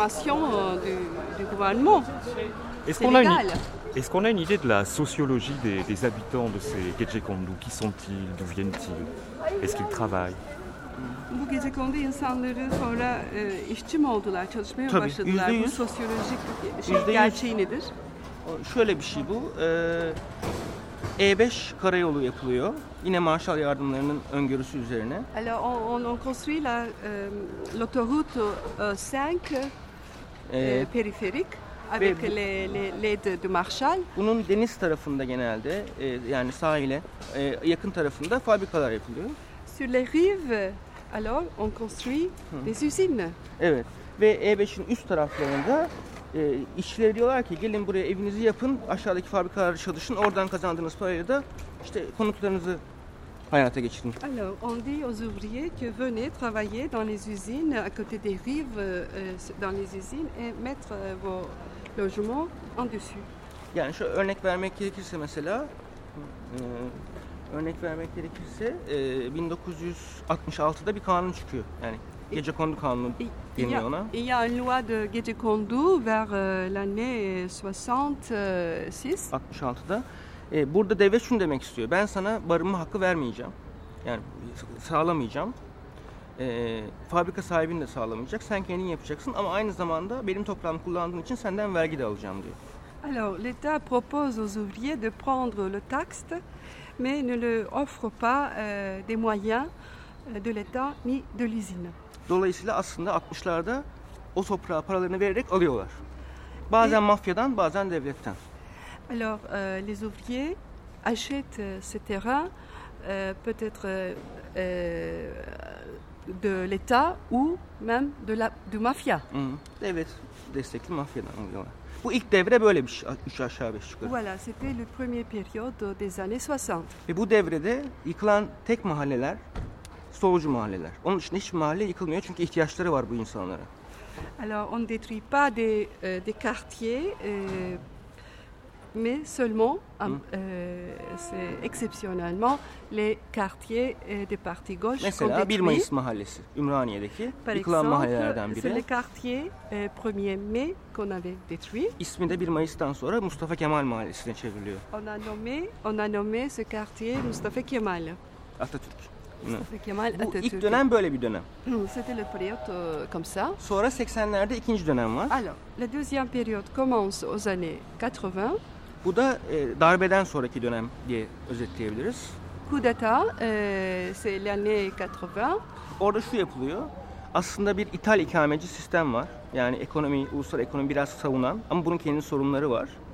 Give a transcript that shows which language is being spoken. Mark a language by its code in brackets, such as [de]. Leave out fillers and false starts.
[fr] confirmation du gouvernement. Est-ce qu'on a une idée de la sociologie des habitants de ces gecekondu? Qui sont-ils? D'où viennent-ils? Est-ce qu'ils travaillent? [tr] Bu gecekondu insanları sonra işçi mi oldular, çalışmaya mı başladılar? Tabii, bu sosyolojik gerçeği nedir? Şöyle bir şey bu. E5 karayolu yapılıyor. Yine Marshall yardımlarının öngörüsü üzerine. [fr] Alors on construit la l'autoroute 5 périphérique avec l'aide de Marshall. [tr] Bunun deniz tarafında genelde yani sahile yakın tarafında fabrikalar yapılıyor. [fr] Sur les rives alors on construit des usines. [tr] Evet. Ve E5'in üst taraflarında işçiler diyorlar ki gelin buraya evinizi yapın, aşağıdaki fabrikalarda çalışın, oradan kazandığınız parayla da işte konuklarınızı hayata geçirin. [fr] Alors on dit aux ouvriers que venez travailler dans les usines à côté des rives dans les usines et mettre vos logements en dessus. [tr] Yani şu örnek vermek gerekirse mesela 1966'da bir kanun çıkıyor. Yani gecekondu kanunu deniyor ona. [fr] Il y a une loi de gecekondu vers l'année 66. [tr] 66'da. Burada devlet şunu demek istiyor. Ben sana barınma hakkı vermeyeceğim. Yani sağlamayacağım. Fabrika sahibini de sağlamayacak. Sen kendin yapacaksın ama aynı zamanda benim toprağımı kullandığın için senden vergi de alacağım diyor. [fr] Alors l'État propose aux ouvriers de prendre le taxe mais ne le offre pas des moyens de l'État ni de l'usine. [tr] Dolayısıyla aslında 60'larda o toprağı paralarını vererek alıyorlar. Bazen mafyadan, bazen devletten. [fr] Alors les ouvriers achètent ce terrain peut-être de l'État ou même de la du mafia. [tr] Devlet destekli mafyadan alıyorlar. Bu ilk devre böyle bir şey, 3 aşağı 5 yukarı. [fr] Voilà, c'était le premier période des années 60. [tr] Ve bu devrede yıkılan tek mahalleler solcu mahalleler. Onun için hiç mahalle yıkılmıyor çünkü ihtiyaçları var bu insanlara. [fr] Alors on détruit pas des quartiers mais seulement c'est exceptionnellement les quartiers des partis gauche. [tr] Mesela 1 Mayıs mahallesi Ümraniye'deki yıkılan mahallelerden biri. [fr] C'est le quartier 1er mai qu'on avait détruit. [tr] İsmi de 1 Mayıs'tan sonra Mustafa Kemal Mahallesi'ne çevriliyor. [fr] On a nommé ce quartier Mustafa Kemal. [tr] Atatürk. Kemal bu ilk dönem böyle bir dönem. [fr] C'était le période comme ça. [tr] Sonra 80'lerde ikinci dönem var. [fr] Alors, la deuxième période commence aux années 80. [tr] Bu da darbeden sonraki dönem diye özetleyebiliriz. [fr] Coup d'état, c'est l'année 80. [tr] Orada şu yapılıyor. Aslında bir ithal ikameci sistem var. Yani ekonomi, uluslararası ekonomi biraz savunan ama bunun kendi sorunları var.